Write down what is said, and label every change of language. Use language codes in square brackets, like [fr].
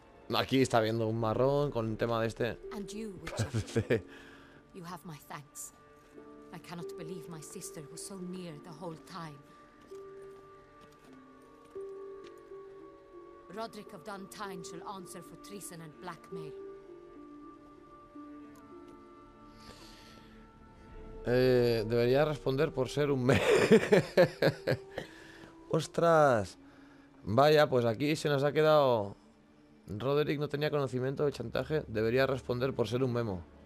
[es] Aquí está viendo un marrón con el tema de este. [en] And you, you have my thanks. I cannot believe my sister was so near the whole time. Roderick of Duntyne shall answer for treason and blackmail. [es] Debería responder por ser un mes. ¡Ostras! Vaya, pues aquí se nos ha quedado. Roderick no tenía conocimiento de chantaje. Debería responder por ser un memo.